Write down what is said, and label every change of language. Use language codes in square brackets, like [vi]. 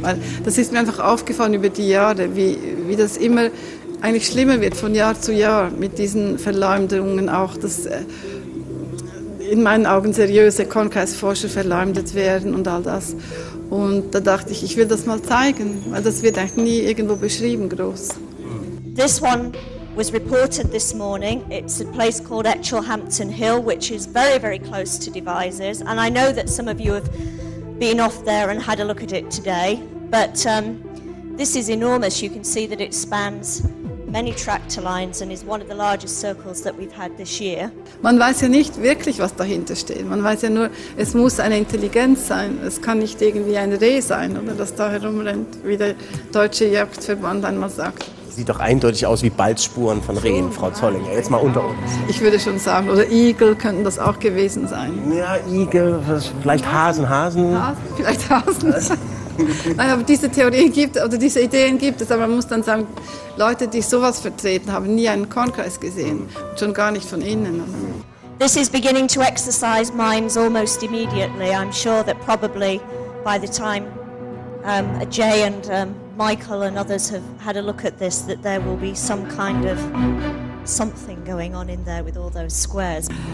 [de] Weil das ist mir einfach aufgefallen über die Jahre, wie das immer eigentlich schlimmer wird von Jahr zu Jahr mit diesen Verleumdungen auch, dass in meinen Augen seriöse Kornkreis-Forscher verleumdet werden und all das. Und da dachte ich will das mal zeigen, weil das wird eigentlich nie irgendwo beschrieben groß. [en] This one was reported this morning. It's a place called Etchell-Hampton Hill, which is very, very close to Devizes. And I know that some of you have been off there and had a look at it today. But this is enormous. You can see that it spans many tractor lines and is one of the largest circles that we've had this year. [de] Man weiß ja nicht wirklich, was dahinter steht. Man weiß ja nur, es muss eine Intelligenz sein. Es kann nicht irgendwie ein Reh sein, oder das da herumrennt, wie der Deutsche Jagdverband einmal sagt. Sieht doch eindeutig aus wie Balzspuren von Rehen, Frau Zollinger. Jetzt mal unter uns. Ich würde schon sagen, oder Igel könnten das auch gewesen sein. Ja, Igel, vielleicht Hasen. Vielleicht Hasen. Nein, aber diese Theorien gibt es, oder diese Ideen gibt es, aber man muss dann sagen, Leute, die sowas vertreten, haben nie einen Kornkreis gesehen. Schon gar nicht von innen. [en] This is beginning to exercise minds almost immediately. I'm sure that probably by the time Jay and Michael and others have had a look at this, that there will be some kind of something going on in there with all those squares.